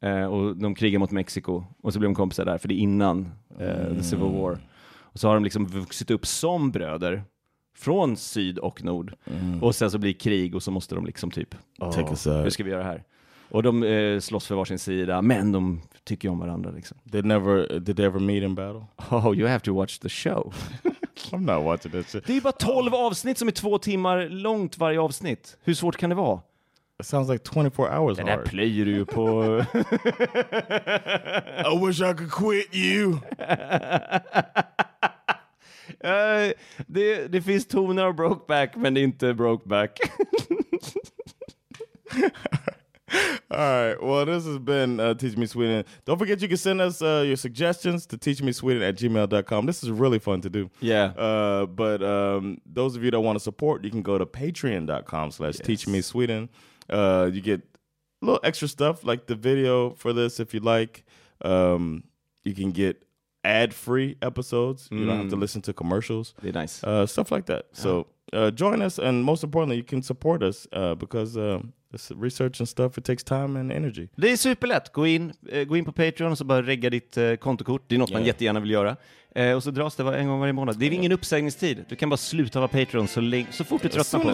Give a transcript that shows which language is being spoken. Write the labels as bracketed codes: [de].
[sv] Och de krigar mot Mexiko. Och så blir de kompisar där, för det är innan the Civil War. Och så har de liksom vuxit upp som bröder. Från syd och nord. Mm. Och sen så blir krig och så måste de liksom typ... [en] Take a side. [sv] Hur ska vi göra här? Och de slåss för varsin sida, men de tycker om varandra liksom. [en] Did they ever meet in battle? Oh, you have to watch the show. I'm not watching that shit. [sv] Det är bara 12 avsnitt som är 2 timmar långt varje avsnitt. Hur svårt kan det vara? [en] It sounds like 24 hours [sv] hard. Det där plöjer du ju på. [en] I wish I could quit you. [sv] Det finns toner av Brokeback, men det är inte Brokeback. [en] All right. Well, this has been Teach Me Sweden. Don't forget you can send us your suggestions to teachmesweden@gmail.com. This is really fun to do. Yeah. But those of you that want to support, you can go to patreon.com/teachmesweden. You get a little extra stuff like the video for this if you like. You can get ad-free episodes. Mm. You don't have to listen to commercials. Be nice. Stuff like that. Yeah. So join us. And most importantly, you can support us because... this research and stuff, it takes time and energy. [sv] Det är superlätt. Gå in på Patreon och så bara regga ditt kontokort. Det är något man jättegärna vill göra. Och så dras det en gång varje månad. Det är ingen uppsägningstid. Du kan bara sluta vara Patreon så fort du tröttnar på oss.